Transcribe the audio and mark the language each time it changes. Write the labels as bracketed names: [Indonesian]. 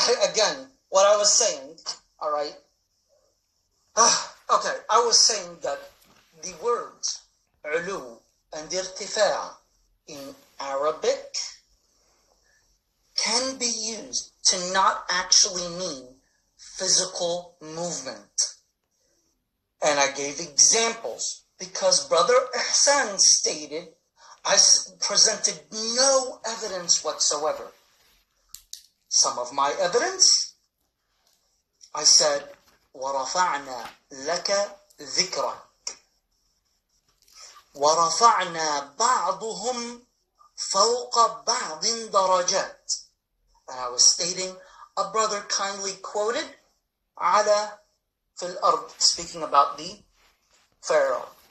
[English] Again, what I was saying, all right. Okay, I was saying that the words ulu and irtifa' in Arabic can be used to not actually mean physical movement. And I gave examples because Brother Ehsan stated, I presented no evidence whatsoever. Some of my evidence, I said, [Arabic] وَرَفَعْنَا لَكَ ذِكْرَكَ وَرَفَعْنَا بَعْضُهُمْ فَوْقَ بَعْضٍ دَرَجَاتٍ. [English] And I was stating, a brother kindly quoted, [Arabic] عَلَى فِي الْأَرْضِ, [English] speaking about the Pharaoh.